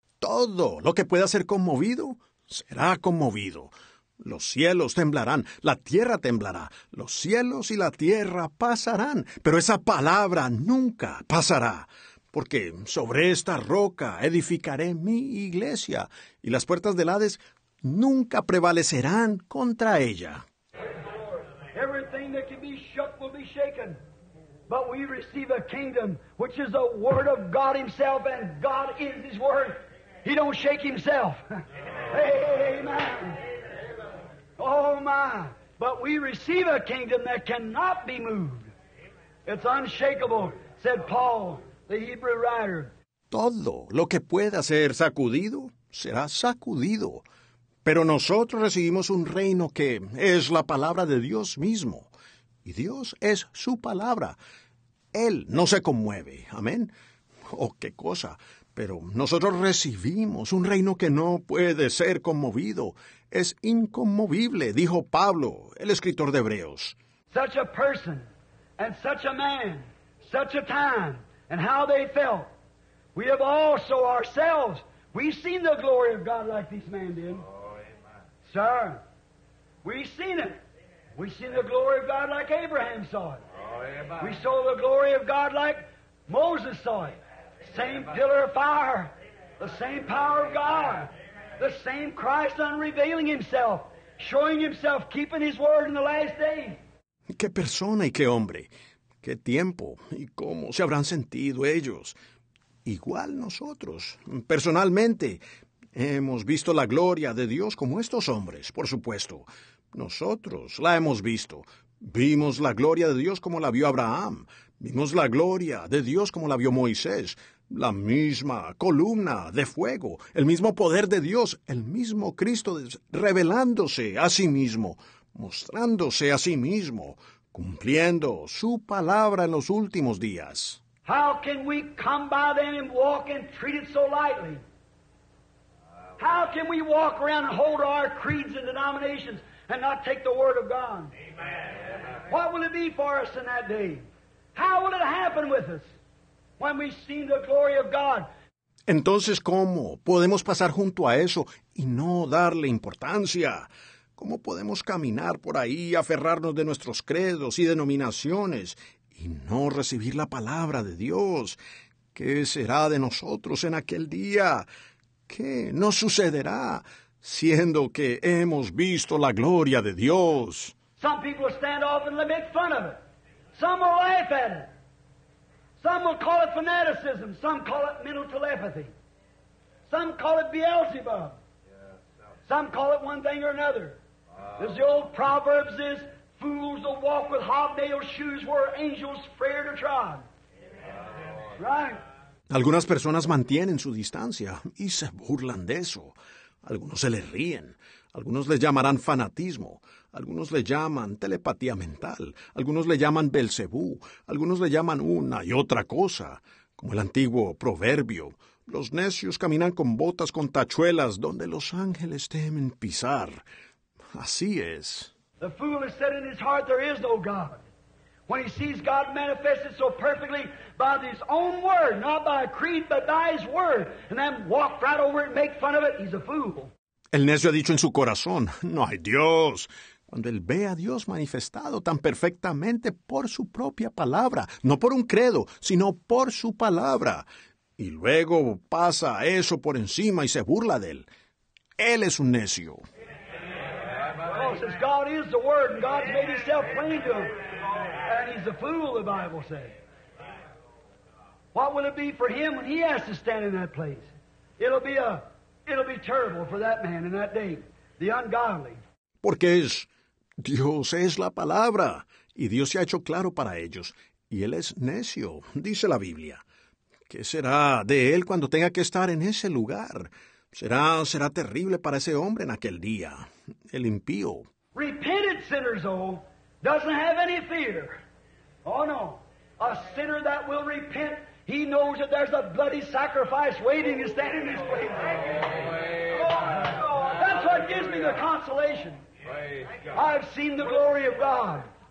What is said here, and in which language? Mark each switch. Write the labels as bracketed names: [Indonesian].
[Spanish] Todo lo que pueda ser conmovido será conmovido. Los cielos temblarán, la tierra temblará, los cielos y la tierra pasarán, pero esa palabra nunca pasará. Porque sobre esta roca edificaré mi iglesia, y las puertas del Hades nunca prevalecerán contra ella. [English] Everything that can be shook will be shaken, but we receive a kingdom which is the word of God himself, and God is his word. He don't shake himself. Amen. Oh my, but we receive a kingdom that cannot be moved. It's unshakable, said Paul, the Hebrew writer. [Spanish] Todo lo que pueda ser sacudido será sacudido. Pero nosotros recibimos un reino que es la palabra de Dios mismo. Y Dios es su palabra. Él no se conmueve. Amén. Oh, qué cosa. Pero nosotros recibimos un reino que no puede ser conmovido. Es inconmovible, dijo Pablo, el escritor de Hebreos. [English] Such a person, and such a man, such a time, and how they felt. We have also ourselves, we've seen the glory of God like this man did. Sir, we've seen it. We've seen the glory of God like Abraham saw it. We saw the glory of God like Moses saw it. Same pillar of fire, the same power of God, the same Christ unrevealing himself, showing himself, keeping his word in the last day. [Spanish] ¿Qué persona y qué hombre? ¿Qué tiempo y cómo se habrán sentido ellos? Igual nosotros, personalmente, hemos visto la gloria de Dios como estos hombres, por supuesto. Nosotros la hemos visto. Vimos la gloria de Dios como la vio Abraham. Vimos la gloria de Dios como la vio Moisés. La misma columna de fuego, el mismo poder de Dios, el mismo Cristo revelándose a sí mismo, mostrándose a sí mismo, cumpliendo su palabra en los últimos días. [English] How can we come by them and walk and treat it so lightly? How can we walk around and hold our creeds and denominations and not take the word of God? Amen. What will it be for us in that day? How will it happen with us when we see the glory of God? [Spanish] Entonces, ¿cómo podemos pasar junto a eso y no darle importancia? ¿Cómo podemos caminar por ahí y aferrarnos de nuestros credos y denominaciones y no recibir la palabra de Dios? ¿Qué será de nosotros en aquel día? ¿Qué nos sucederá? siendo que hemos visto la gloria de Dios. [English] Some people will stand off and make fun of it. Some will laugh at it. Some will call it fanaticism. Some call it mental telepathy. Some call it Beelzebub. Some call it one thing or another. As the old proverbs is, fools will walk with hobnailed shoes where angels fear to trod. Right? [Spanish] Algunas personas mantienen su distancia y se burlan de eso. Algunos se les ríen. Algunos le llamarán fanatismo. Algunos le llaman telepatía mental. Algunos le llaman Belcebú. Algunos le llaman una y otra cosa. Como el antiguo proverbio, los necios caminan con botas con tachuelas donde los ángeles temen pisar. Así es. [English] The fool has said in his heart there is no God. When he sees God manifested so perfectly by his own word, not by a creed, but by his word, and then walk right over it and make fun of it, he's a fool. [Spanish] El necio ha dicho en su corazón, no hay Dios. Cuando él ve a Dios manifestado tan perfectamente por su propia palabra, no por un credo, sino por su palabra, y luego pasa eso por encima y se burla de él, él es un necio. [English] God is the word, and God's made himself plain to him. And he's a fool, the Bible said. What will it be for him when he has to stand in that place? It'll be terrible for that man in that day, the ungodly. [Spanish] Porque es, Dios es la palabra, y Dios se ha hecho claro para ellos, y él es necio, dice la Biblia. ¿Qué será de él cuando tenga que estar en ese lugar? Será terrible para ese hombre en aquel día, el impío. [English] Repented sinners, oh, doesn't have any fear. Oh, no. A sinner that will repent, he knows that there's a bloody sacrifice waiting to stand in his place. That's what gives me the consolation. I've seen the glory of God.